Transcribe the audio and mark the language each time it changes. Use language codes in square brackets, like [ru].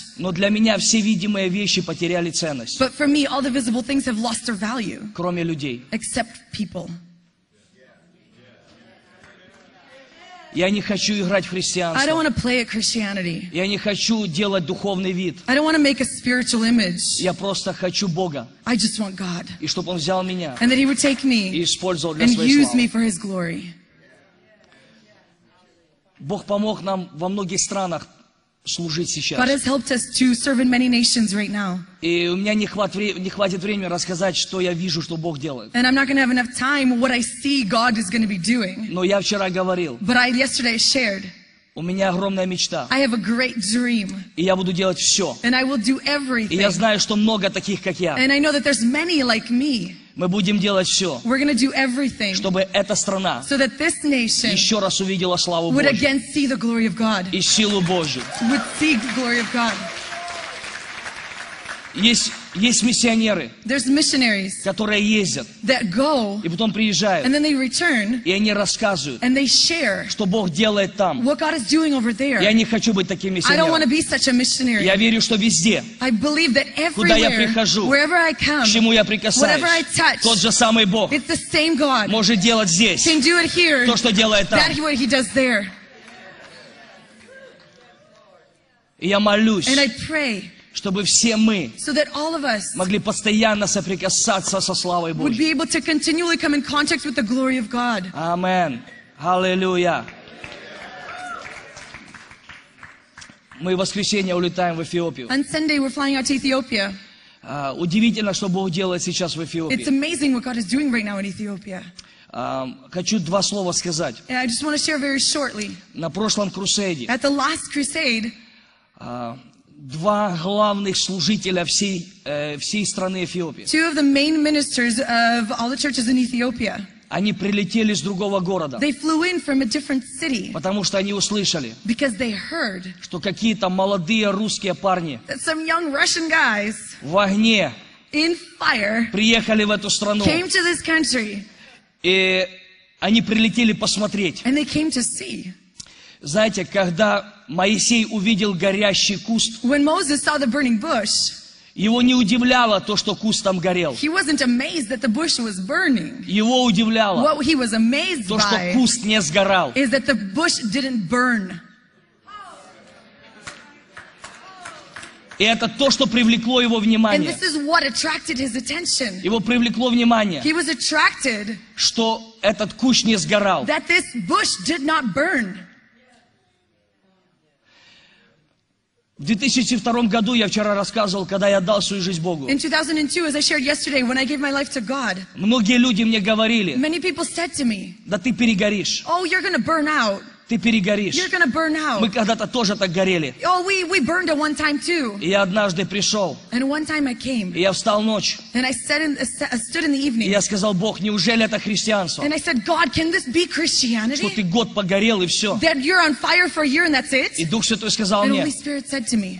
[ru] Но для меня все видимые вещи потеряли ценность. [en] But for me, all the visible things have lost their value. [ru] Кроме людей. [en] Except people. [ru] Я не хочу играть в христианство. [en] I don't want to play at Christianity. [ru] Я не хочу делать духовный вид. [en] I don't want to make a spiritual image. [ru] Я просто хочу Бога. [en] I just want God. [ru] И чтобы Он взял меня. [en] And that He would take me. [ru] И использовал для [en] and [ru] Своей [en] use [ru] славы. [en] Me for His glory. [ru] Бог помог нам во многих странах служить сейчас. [en] God has helped us to serve in many nations right now. [ru] И у меня не хватит времени рассказать, что я вижу, что Бог делает. [en] And I'm not going to have enough time what I see God is going to be doing. [ru] Но я вчера говорил. [en] But I yesterday shared. [ru] У меня огромная мечта. [en] I have a great dream. [ru] И я буду делать все. [en] And I will do everything. [ru] И я знаю, что много таких, как я. [en] And I know that there's many like me. [ru] Мы будем делать все, [en] we're going to do everything [ru] чтобы эта страна [en] so that this nation [ru] еще раз увидела славу Божью [en] would again see the glory of God. [ru] И силу Божью. [en] Would see the glory of God. [ru] Есть миссионеры, [en] there's missionaries [ru] которые ездят, [en] that go [ru] и потом приезжают, [en] and then they return [ru] и они рассказывают, [en] and they share [ru] что Бог делает там. [en] What God is doing over there. [ru] Я не хочу быть таким миссионером. [en] I don't want to be such a missionary. [ru] Я верю, что везде, [en] I believe that everywhere, [ru] куда я прихожу, [en] wherever I come, [ru] к чему я прикасаюсь, [en] whatever I touch, [ru] тот же самый Бог [en] it's the same God, [ru] может делать здесь [en] can do it here, [ru] то, что делает там. [en] That what He does there. [ru] И я молюсь, [en] and I pray, [ru] чтобы все мы [en] so that all of us [ru] могли постоянно соприкасаться со славой Божьей. [en] Would be able to continually come in contact with the glory of God. Amen. Hallelujah. [ru] Мы в воскресенье улетаем в Эфиопию. [en] On Sunday we're flying out to Ethiopia. [ru] Удивительно, что Бог делает сейчас в Эфиопии. [en] It's amazing what God is doing right now in Ethiopia. [ru] Хочу два слова сказать. [en] And I just want to share very shortly. [ru] На прошлом крусейде. [en] At the last crusade. [ru] Два главных служителя всей страны Эфиопии. [en] Two of the main ministers of all the churches in Ethiopia. [ru] Они прилетели с другого города. [en] They flew in from a different city. [ru] Потому что они услышали. [en] Because they heard. [ru] Что какие-то молодые русские парни. [en] That some young Russian guys. [ru] В огне. [en] In fire. [ru] Приехали в эту страну. [en] Came to this country. [ru] И они прилетели посмотреть. [en] And they came to see. [ru] Знаете, когда Моисей увидел горящий куст, [en] when Moses saw the burning bush, [ru] Его не удивляло то, что куст там горел. [en] He wasn't amazed that the bush was burning. [ru] Его удивляло [en] What he was amazed [ru] то, что куст не сгорал. [en] Is that the bush didn't burn. [ru] И это то, что привлекло его внимание. [en] And this is what attracted his attention. [ru] Его привлекло внимание. [en] He was attracted, [ru] что этот куст не сгорал. [en] That this bush did not burn. [ru] В 2002 году я вчера рассказывал, когда я дал свою жизнь Богу. [en] In 2002, as I shared yesterday, when I gave my life to God. [ru] Многие люди мне говорили. [en] Many people said to me. [ru] Да ты перегоришь. [en] Oh, you're gonna burn out. [ru] Ты перегоришь. [en] You're gonna burn out. [ru] Мы когда-то тоже так горели. [en] Oh, we burned at one time too. [ru] И я однажды пришел. [en] And one time I came. [ru] И я встал ночь. [en] And I sat in, stood in the evening. [ru] И я сказал, Бог, неужели это христианство? [en] And I said, God, can this be Christianity? [ru] Что ты год погорел и все. [en] That you're on fire for a year and that's it? [ru] И Дух Святой сказал [en] and [ru] мне. [en] And Holy Spirit said to me.